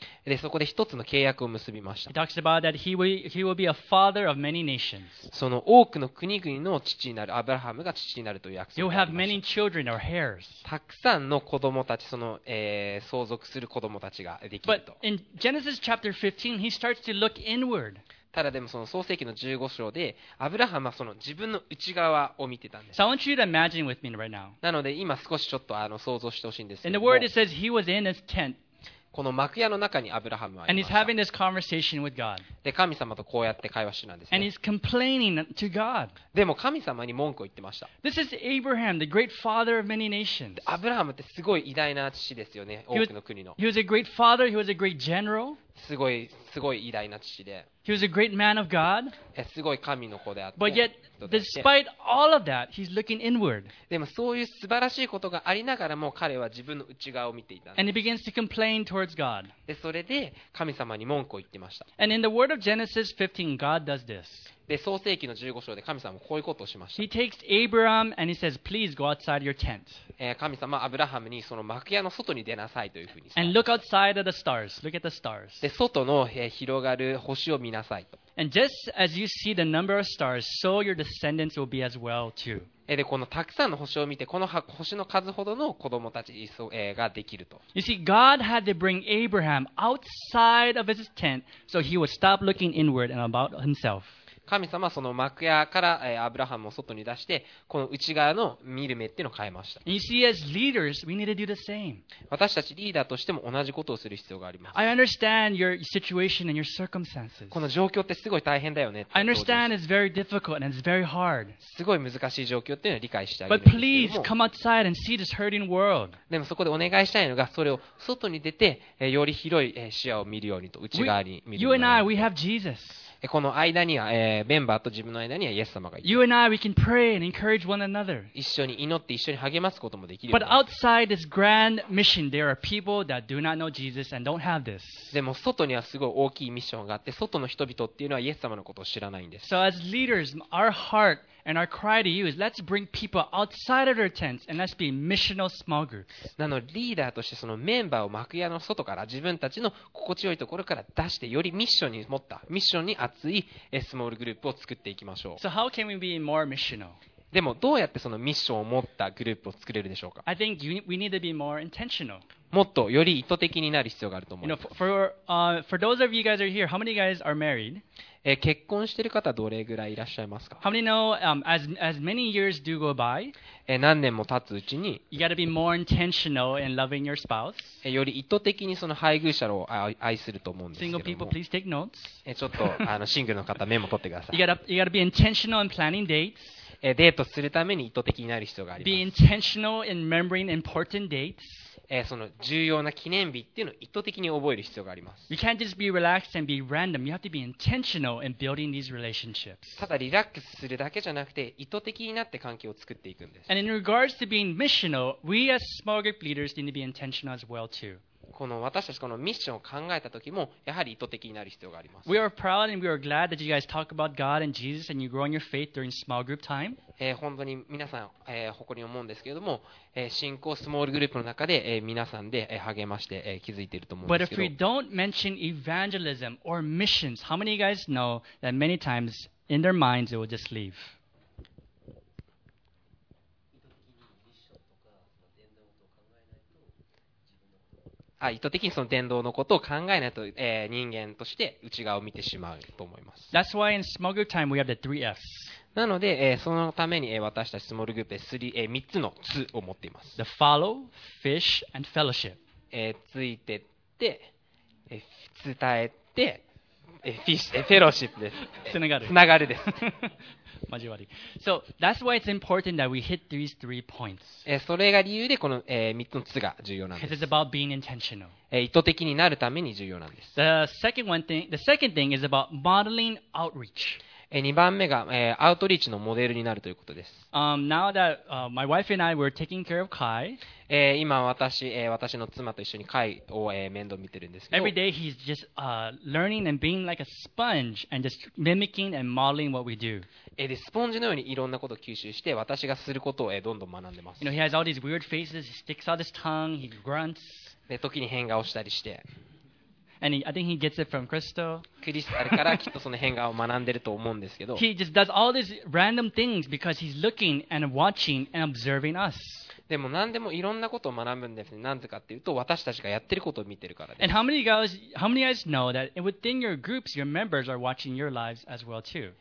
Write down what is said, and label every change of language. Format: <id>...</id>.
<ja>でそこで一つの契約を結びました。</ja> <en>He talks about that he will be a father of many nations.</en> <ja>その多くの国々の父になる、アブラハムが父になるという約束がありました</ja> <en>。 He will have many children or heirs.</en> <ja>たくさんの子供たち、その、相続する子供たちができると。</ja> <en>But in Genesis chapter 15, he starts to look inward.</en> <ja>ただでもその創世記の15章でアブラハムはその自分の内側を見てたんです。</ja> <en>So I want you to imagine with me right now.</en> <ja>なので今少しちょっと想像してほしいんですけ</ja> <en>ど。 In the word it says he was in his tent.</en> <ja>この幕屋の中にアブラハムはいました。で、神様とこうやって会話してたんですね。</ja> <en>And he's complaining to God.</en> <ja>でも神様に文句を言ってました。</ja> <en>This is Abraham, the great father of many nations.</en> <ja>アブラハムってすごい偉大な父ですよね、多くの国の。</ja> <en>He was a great father, he was a great general.</en> <ja>すごい、すごい偉大な父で。</ja> <en>He was a great man of God.</en> <ja>すごい神の子であって。</ja> <en>But yet, despite all of that, he's looking inward.</en> <ja>でもそういう素晴らしいことがありながらも彼は自分の内側を見ていた。</ja> <en>And he begins to complain towards God.</en> <ja>でそれで神様に文句を言ってました。</ja> <en>And in the word of Genesis 15, God does this.</en> <ja>で創世記の15章で神様はこういうことをしました。</ja> <en>He takes Abraham and he says, please go outside your tent.</en> <ja>神様はアブラハムにその幕屋の外に出なさいというふうに。</ja> <en>And look outside at the stars. Look at the stars.</en> <ja>で外の広がる星を見なさいと。</ja> <en>And just as you see the number of stars, so your descendants will be as well too.</en> <ja>でこのたくさんの星を見て、この星の数ほどの子供たちができると。</ja> <en>You see, God had to bring Abraham outside of his tent so he would stop looking inward and about himself.</en> <ja>神様はその幕屋からアブラハムを外に出して、この内側の見る目っていうのを変えました。</ja> <en>You see, as leaders, we need to do the same.</en> <ja>私たちリーダーとしても同じことをする必要があります。</ja> <en>I understand your situation and your circumstances.</en> <ja>この状況ってすごい大変だよね。</ja> <en>I understand it's very difficult and it's very hard.</en> <ja>すごい難しい状況っていうのを理解してあげる。</ja> <en>But please come outside and see this hurting world.</en> <ja>でもそこでお願いしたいのが、それを外に出て、より広い視野を見るようにと、内側に見るように。</ja> <en>You and I, we have Jesus.</en> <ja>この間には、メンバーと自分の間にはイエス様がいて。</ja> <en>You and I, we can pray and encourage one another.</en> <ja>一緒に祈って一緒に励ますこともできる。</ja> <en>But outside this grand mission, there are people that do not know Jesus and don't have this.</en> <ja>でも外にはすごい大きいミッションがあって、外の人々っていうのはイエス様のことを知らないんです。</ja> <en>So as leaders, our heart and our cry to you is let's bring people outside of their tents and let's be missional small groups.</en> <ja>なのでリーダーとしてそのメンバーを幕屋の外から自分たちの心地よいところから出して、よりミッションに持ったミッションに熱いスモールグループを作っていきましょう。</ja> <en>So how can we be more missional?</en> <ja>でもどうやってそのミッションを持ったグループを作れるでしょうか。</ja> <en>I think we need to be more intentional.</en> <ja>もっとより意図的になる必要があると思います。</ja> <en>You know, for those of you guys are here, how many guys are married?</en> <ja>結婚してる方どれぐらいいらっしゃいますか?</ja> <en>How many know, as many years do go by,</en> <ja>何年も経つうちに、</ja> <en>you gotta be more intentional in loving your spouse.</en> <ja>より意図的にその配偶者を愛すると思うんですけども。</ja> <en>Single people, please take notes.</en> <ja>ちょっとシングルの方メモ取ってください。</ja> <en>you gotta be intentional in planning dates.</en> <ja>デートするために意図的になる必要があります。</ja> <en>Be intentional in remembering important dates.</en> <ja>その重要な記念日っていうのを意図的に覚える必要があります。</ja> <en>You can't just be relaxed and be random. You have to be intentional in building these relationships.</en> <ja>ただリラックスするだけじゃなくて、意図的になって関係を作っていくんです。</ja> <en>And in regards to being missional, we as small group leaders need to be intentional as well too.</en> <ja>この私たちこのミッションを考えた時もやはり意図的になる必要があります。</ja> <en>We are proud and we are glad that you guys talk about God and Jesus and you grow in your faith during small group time.</en> <ja>本当に皆さん、誇りに思うんですけれども、信仰スモールグループの中で、皆さんで励まして、気づいていると思うんですけど。</ja> <en>But if we don't mention evangelism or missions, how many of you guys know that many times in their minds it will just leave?</en> <ja>意図的にその伝道のことを考えないと、人間として内側を見てしまうと思います。</ja> <en>That's why in small group time we have the three F's.</en> <ja>なので、そのために、私たちスモールグループで 3つのつを持っています。</ja> <en>The follow, fish, and fellowship.</en> <ja>ついてって、伝えて、</ja> <en>fish, fellowship</en> <ja>です。つながる。つながるです。交わり。</ja> <en>So that's why it's important that we hit these three points.</en> <ja>それが理由でこの、3つのつが重要なんです。</ja> <en>Because it's about being intentional.</en> <ja>意図的になるために重要なんです。</ja> <en>The second thing is about modeling outreach.</en> <ja>2番目が、アウトリーチのモデルになるということです。</ja> <en>Now that my wife and I were taking care of Kai.</en> <ja>今私の妻と一緒にカイを面倒見てるんですけど。</ja> <en>Every day he's just learning and being like a sponge and just mimicking and modeling what we do.</en> <ja>でスポンジのようにいろんなことを吸収して、私がすることをどんどん学んでます。</ja> <en>You know, he has all these weird faces. He sticks out his tongue. He grunts.</en> <ja>で時に変顔したりして。</ja> <en>And I think he gets it from Crystal.</en> <ja>クリスタルからきっとその変顔を学んでると思うんですけど。</ja> <en>He just does all these random things because he's looking and watching and observing us.</en> <ja>でも何でもいろんなことを学ぶんですね。なぜかっていうと、私たちがやってることを見てるからです。</ja> <en>And how many guys know that within your groups, your members are watching your lives as well too?</en>